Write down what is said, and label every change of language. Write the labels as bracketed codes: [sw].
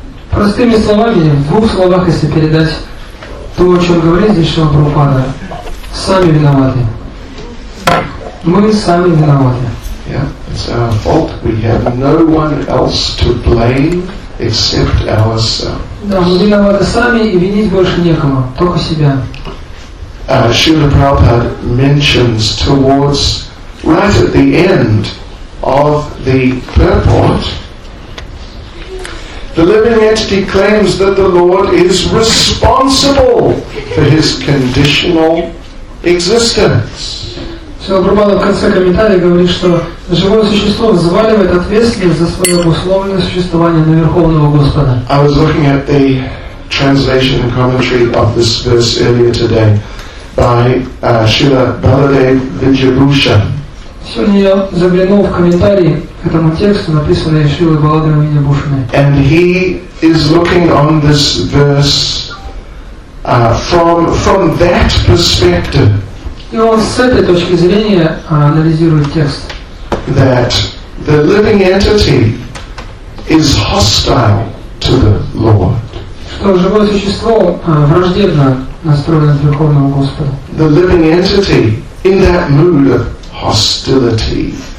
[ru] Простыми словами, в двух словах, если передать то, о чем говорит здесь Шрила Прабхупада, сами виноваты. Мы сами виноваты. [en] Yeah, it's our fault. We have no one else to blame except ourselves. [ru] Да, мы виноваты сами, и винить больше некому, только себя. [en] Srila Prabhupada mentions towards, right at the end of the purport, the living entity claims that the Lord is responsible for his conditional existence. [ru] Шрила в конце комментария говорит, что живое существо взваливает ответственность за свое обусловленное существование на Верховного Господа. [en] I was looking at the translation and commentary of this verse earlier today by Shiva Baladev Vidyabhushan. [ru] Сегодня я заглянул в комментарии к этому тексту, написанному Шрилой Баладевой Видьябхушаной. [en] And he is looking on this verse from that perspective. [ru] И он с этой точки зрения анализирует текст. [en] That the living entity is hostile to the Lord. [ru] Что живое существо враждебно настроено к Верховному Господу. [en] The living entity in that mood of hostility.